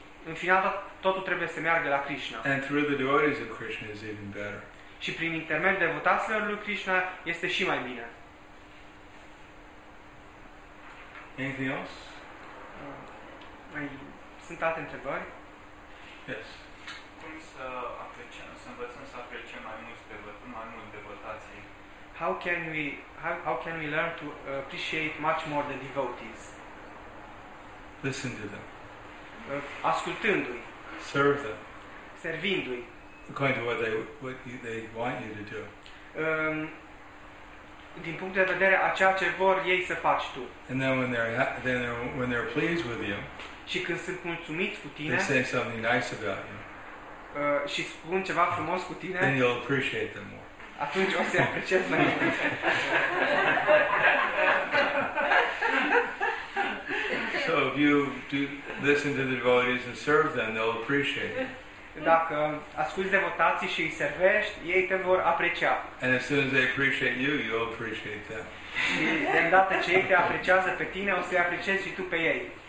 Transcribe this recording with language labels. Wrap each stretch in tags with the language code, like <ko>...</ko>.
<ro>În final, totul trebuie să meargă la Krishna.</ro> <en>And through the devotees of Krishna is even better.</en> <ro>Și prin intermediul devotaților lui Krishna este și mai bine.</ro> <en>Anything else?</en> <ro>Mai sunt alte întrebări?</ro> <en>Yes.</en> <ro>Cum să apreciem, să învățăm să apreciem mai mult devotații?</ro> <en>How can we learn to appreciate much more the devotees? Listen to them.</en> <ro>Ascultându-i.</ro> <en>Serve them.</en> <ro>Servindu-i.</ro> <en>According to what they want you to do.</en> <ro>Din punct de vedere a ceea ce vor ei să faci tu.</ro> <en>And then when they're pleased with you.</en> <ro>Și când sunt mulțumiți cu tine.</ro> <en>They say something nice about you.</en> <ro>Și spun ceva frumos cu tine.</ro> <en>Then you'll appreciate them more.</en> <ro>Atunci o să-i apreciez mai mult.</ro> <en>So if you do listen to the devotees and serve them, they'll appreciate it.</en> <ro>Dacă asculți devotații și îi servești, ei te vor aprecia.</ro> <en>And as soon as they appreciate you, you'll appreciate them.</en> <ro>Și de îndată ce ei te apreciază pe tine, o să-i apreciezi și tu pe ei.</ro>